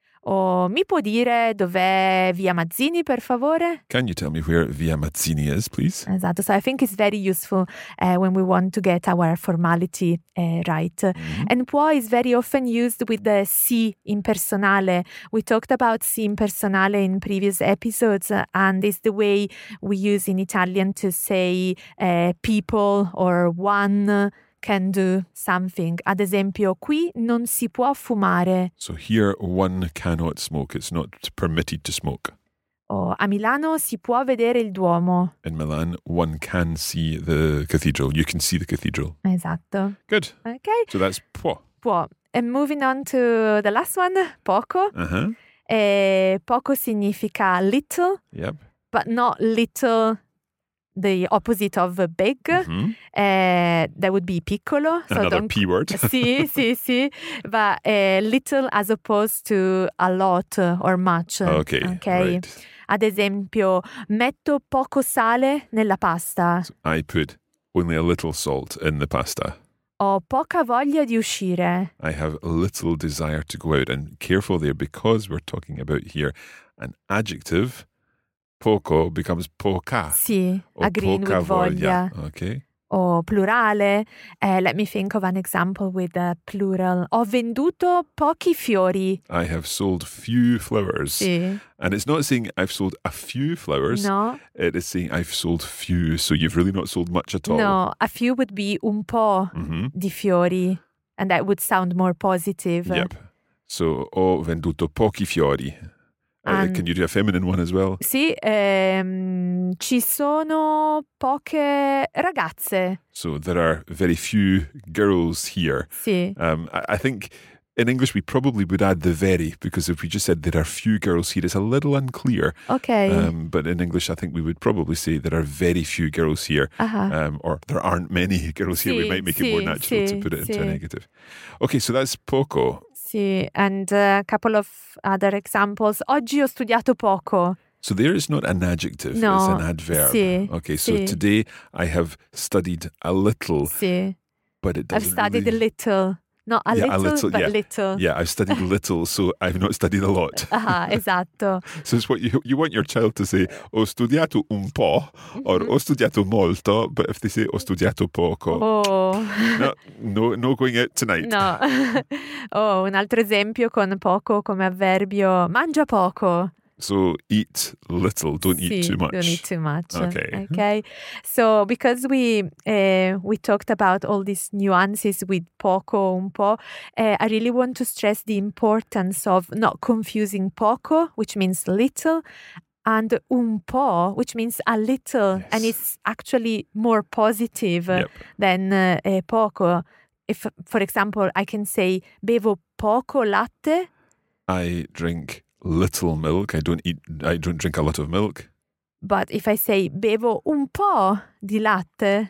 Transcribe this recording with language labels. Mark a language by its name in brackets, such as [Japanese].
[Italian] O mi può dire dov'è Via Mazzini, per favore? [English] Can you tell me where Via Mazzini is, please? [Italian] Esatto, [English] so I think it's very useful when we want to get our formality right. Mm-hmm. And può is very often used with the sì in personale. We talked about sì in personale in previous episodes and it's the way we use in Italian to say people or one can do something. [Italian] Ad esempio, qui non si può fumare. [English] So here one cannot smoke. It's not permitted to smoke. [Italian] Oh, a Milano si può vedere il Duomo. [English] In Milan, one can see the cathedral. You can see the cathedral. [Italian] Esatto. [English] Good. Okay. So that's può. Può. And moving on to the last one, poco. Uh-huh. [Italian] Poco significa little, [English] yep. But not little, the opposite of big. Mm-hmm. That would be piccolo. So another don't, P word. [Italian] Sì, sì, sì. [English] But little as opposed to a lot or much. Okay, okay? Right. [Italian] Ad esempio, metto poco sale nella pasta. [English] I put only a little salt in the pasta. [Italian] Ho poca voglia di uscire. [English] I have little desire to go out. And careful there, because we're talking about here an adjective, poco becomes poca. Sì, agreeing with voglia. Okay. [Italian] O plurale. [English] Let me think of an example with a plural. [Italian] Ho venduto pochi fiori. [English] I have sold few flowers. [Italian] Sì. [English] And it's not saying I've sold a few flowers. No. It is saying I've sold few. So you've really not sold much at all. No, a few would be [Italian] un po' [English] mm-hmm. [Italian] di fiori. [English] And that would sound more positive. Yep. [Italian] So ho venduto pochi fiori. [English] Can you do a feminine one as well? [Italian] Sì, ci sono poche ragazze. [English] So there are very few girls here. [Italian] Sì. [English] I think in English we probably would add the very, because if we just said there are few girls here, it's a little unclear. Okay. But in English I think we would probably say there are very few girls here, uh-huh. Or there aren't many girls [Italian] sì, [English] here. We might make [Italian] sì, [English] it more natural [Italian] sì, [English] to put it [Italian] sì. [English] Into a negative. Okay, so that's poco. Sì, and a couple of other examples. [Italian] Oggi ho studiato poco. [English] So there is not an adjective, no. It's an adverb. [Italian] Sì. [English] Okay, [Italian] sì. [English] So today I have studied a little. [Italian] Sì. [English] But it doesn't I've studied really... a little. Not a, yeah, little, a little, but yeah. little. Yeah, I've studied little, so I've not studied a lot. [Italian] Ah, uh-huh, esatto. [English] So it's what you want your child to say, [Italian] ho studiato un po', [English] or mm-hmm. [Italian] ho studiato molto, [English] but if they say [Italian] ho studiato poco. Oh. [English] No going out tonight. No. [Italian] Oh, un altro esempio con poco come avverbio, mangia poco. [English] So eat little, don't [Italian] sì, [English] eat too much. Don't eat too much. Okay. Okay. So because we talked about all these nuances with poco, un po', I really want to stress the importance of not confusing poco, which means little, and un po', which means a little, yes. And it's actually more positive yep. than poco. If, for example, I can say [Italian] bevo poco latte. [English] I drink little milk. I don't drink a lot of milk. But if I say [Italian] bevo un po' di latte,